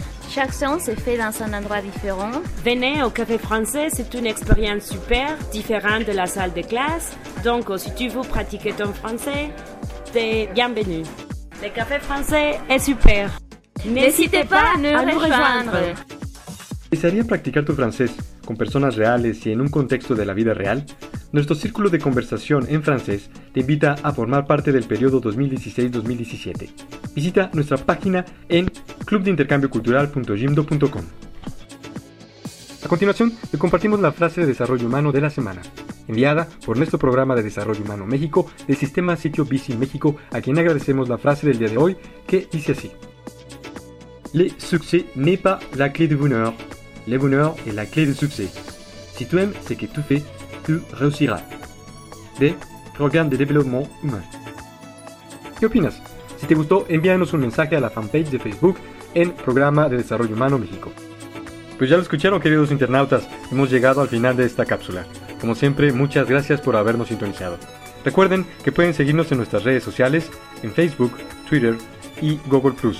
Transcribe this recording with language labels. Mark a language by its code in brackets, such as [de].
[fr] Chaque séance est faite dans un endroit différent. Venez au Café Français, c'est une expérience super, différente de la salle de classe. Donc, si tu veux pratiquer ton français, t'es bienvenue. Le Café Français est super. N'hésitez pas à nous rejoindre. [es] ¿Desearías practicar tu francés con personas reales y en un contexto de la vida real? Nuestro círculo de conversación en francés te invita a formar parte del periodo 2016-2017. Visita nuestra página en clubdeintercambiocultural.gimdo.com. A continuación, te compartimos la frase de desarrollo humano de la semana, enviada por nuestro programa de desarrollo humano México del Sistema Sitio ViSí México, a quien agradecemos la frase del día de hoy, que dice así. [fr] Le succès n'est pas la clé du bonheur. Le bonheur est la clé du succès. Si tu aimes ce que tu fais, tu réussiras. De programme de développement humain. [es] ¿Qué opinas? Si te gustó, envíanos un mensaje a la fanpage de Facebook en Programa de Desarrollo Humano México. Pues ya lo escucharon, queridos internautas. Hemos llegado al final de esta cápsula. Como siempre, muchas gracias por habernos sintonizado. Recuerden que pueden seguirnos en nuestras redes sociales, en Facebook, Twitter y Google+.